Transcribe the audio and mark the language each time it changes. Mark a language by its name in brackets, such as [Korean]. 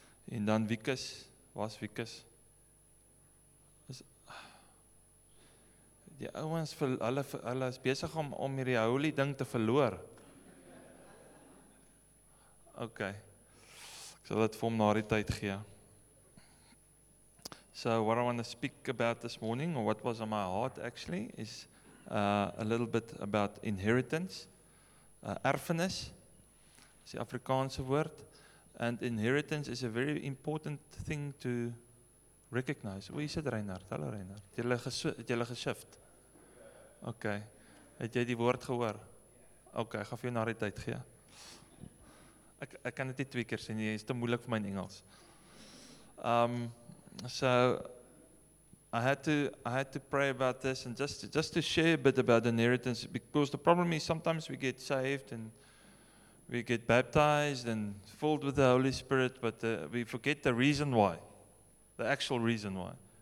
[Afrikaans] En dan Wikus, was Wikus. Die ouens hulle is besig om hierdie holy ding te verloor. Okay. Ek sal dit vir hom na die tyd gee. [English] So what I want to speak about this morning, or what was on my heart actually, is a little bit about inheritance, [Afrikaans] erfenis, is die Afrikaanse woord, [English] and inheritance is a very important thing to recognize. [Afrikaans] Hoe is dit, Reinhard? Hallo, Reinhard. Het jy geshift? Okay. Het jy die woord gehoor? Okay, ek gaan vir jou na die tyd gee. Ek kan dit nie twee keer sê nie, is te moeilik vir my in Engels. [English] So I had to pray about this and just to share a bit about inheritance, because the problem is sometimes we get saved and we get baptized and filled with the Holy Spirit, but we forget the reason why, the actual reason why.